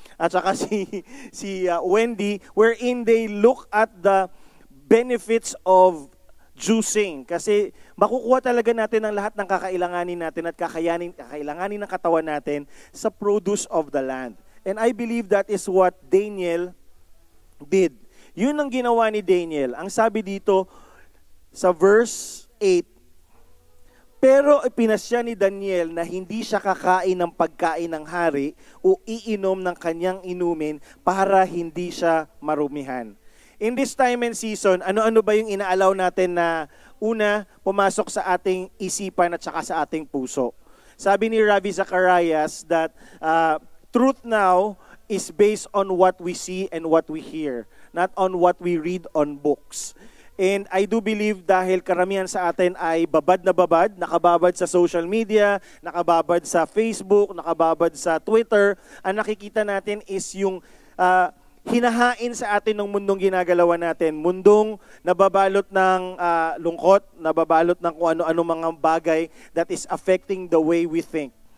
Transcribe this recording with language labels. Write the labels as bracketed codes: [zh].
[tl] At saka [en] si Wendy, wherein they look at the benefits of juicing. [tl] Kasi makukuha talaga natin ang lahat ng kakailanganin natin at kakailanganin ng katawan natin sa [en] produce of the land. And I believe that is what Daniel did. [tl] Yun ang ginawa ni Daniel. Ang sabi dito sa verse 8, pero ipinasya ni Daniel na hindi siya kakain ng pagkain ng hari o iinom ng kanyang inumin para hindi siya marumihan. [en] In this time and season, [tl] ano-ano ba yung inaalaw natin na una, pumasok sa ating isipan at saka sa ating puso? Sabi ni [en] Ravi Zacharias that truth now is based on what we see and what we hear, not on what we read on books. And I do believe [tl] dahil karamihan sa atin ay babad, nakababad sa social media, nakababad sa Facebook, nakababad sa Twitter, ang nakikita natin is yung hinahain sa atin ng mundong ginagalawa natin. Mundong nababalot ng lungkot, nababalot ng kung ano-ano mga bagay [en] that is affecting the way we think.